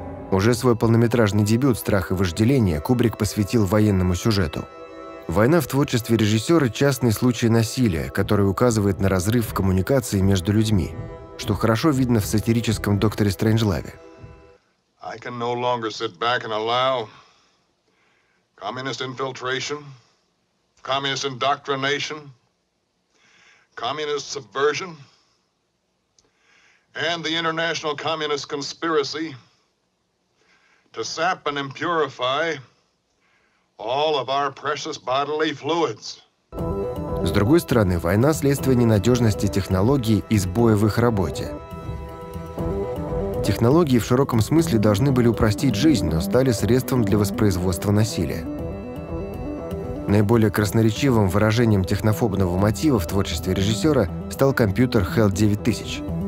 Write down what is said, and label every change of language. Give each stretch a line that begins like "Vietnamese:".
Russian: Уже свой полнометражный дебют «Страх и вожделение» Кубрик посвятил военному сюжету. Война в творчестве режиссера – частный случай насилия, который указывает на разрыв в коммуникации между людьми, что хорошо видно в сатирическом «Докторе Стрэнджлаве».
English: I can no longer sit back and allow communist infiltration, communist indoctrination, communist subversion, and the international communist conspiracy to sap and impurify all of our precious bodily fluids.
Russian: С другой стороны, война – следствие ненадежности технологий и сбоев в их работе. Технологии в широком смысле должны были упростить жизнь, но стали средством для воспроизводства насилия. Наиболее красноречивым выражением технофобного мотива в творчестве режиссера стал компьютер HAL 9000.